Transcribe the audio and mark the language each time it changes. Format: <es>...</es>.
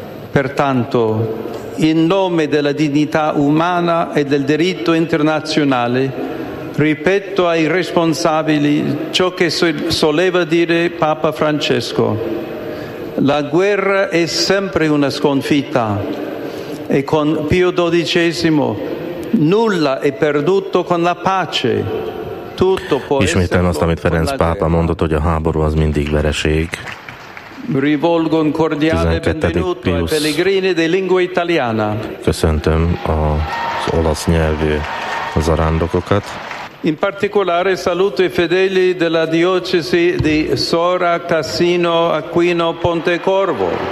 <it>Pertanto, in nome della dignità umana e del diritto internazionale, ripeto ai responsabili ciò che soleva dire Papa Francesco: la guerra è sempre una sconfitta, e con Pio XII nulla è perduto con la pace. Tutto può</it> <hu>Ismételem azt, amit Ferenc pápa mondott, hogy a háború az mindig vereség.</hu> <it>Rivolgo un cordiale benvenuto ai pellegrini di lingua italiana.</it> <hu>Köszöntöm az olasz nyelvű zarándokokat.</hu> <it>In particolare saluto i fedeli della diocesi di Sora Cassino Aquino Pontecorvo.</it>